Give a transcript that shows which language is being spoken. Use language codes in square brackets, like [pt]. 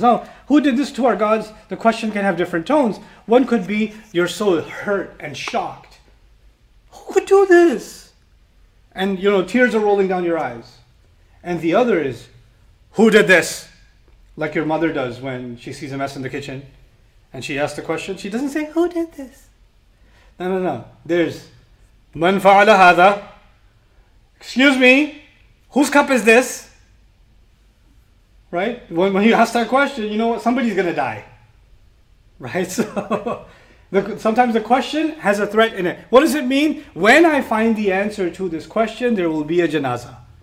[en] Now, who did this to our gods? The question can have different tones. One could be, you're so hurt and shocked. Who could do this? And, you know, tears are rolling down your eyes. And the other is, who did this? Like your mother does when she sees a mess in the kitchen and she asks the question. She doesn't say, who did this? No. [ar] There's, من فعل هذا? [en] Excuse me, whose cup is this? Right? When you ask that question, you know what? Somebody's going to die. Right? So, sometimes the question has a threat in it. What does it mean? When I find the answer to this question, there will be a janaza.